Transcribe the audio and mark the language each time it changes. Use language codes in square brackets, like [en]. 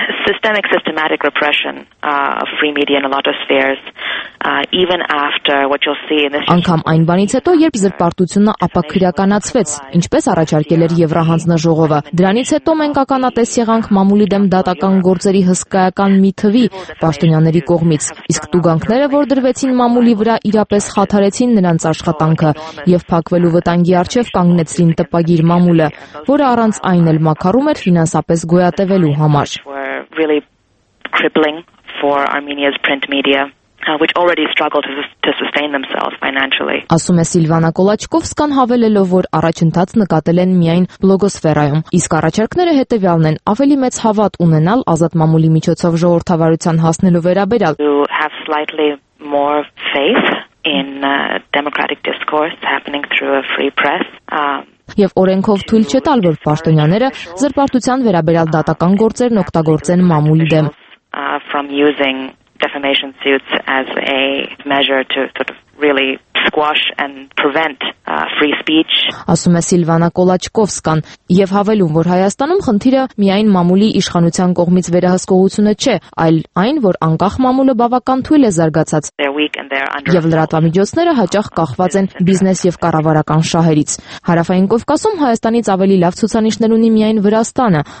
[en] Systematic repression of free media in a lot of spheres even after what you'll see in this [hy] Անկամ այն բանից հետո, երբ զրպարտությունը ապակրիականացվեց, ինչպես առաջարկել էր Եվրահանձնաժողովը, դրանից հետո մենք ականատես եղանք մամուլի դեմ դատական գործերի հսկայական մի թվի պաշտոնյաների կողմից, իսկ տուգանքները, որ դրվեցին մամուլի վրա, իրապես խաթարեցին նրանց աշխատանքը եւ փակվելու վտանգի արչեւ կանգնեցին տպագիր մամուլը, որը առանց այն էլ մակարում էր ֆինանսապես գոյատևելու համար։ [en] Really crippling for Armenia's print media, which already struggled to sustain themselves financially. [hy] Ասում է Սիլվանա Կոլաչկովսկան, հավելելով, որ առաջընթաց նկատել են միայն բլոգոսֆերայում, իսկ առաջարկները հետևյալն են՝ ավելի մեծ հավատ ունենալ ազատ մամուլի միջոցով ժողովրդավարության հասնելու վերաբերյալ. [en] To have slightly more faith in democratic discourse happening through a free press. [hy] Եվ օրենքով թույլ չէ տալ, որ պաշտոնյաները զրպարտության վերաբերյալ դատական գործերն օգտագործեն մամուլի դեմ։ [en] Defamation suits as a measure to sort of really squash and prevent free speech. [hy] Ասում է Սիլվանա Կոլաչկովսկան, եւ հավելում, որ Հայաստանում խնդիրը միայն մամուլի իշխանության կողմից վերահսկողությունը չէ, այլ այն, որ անկախ մամուլը բավական թույլ է զարգացած, եւ լրատվամիջոցները հաճախ կախված են բիզնես եւ կառավարական շահերից։ Հարավային Կովկասում Հայաստանից ավելի լավ ցուցանիշներ ունի միայն Վրաստանը,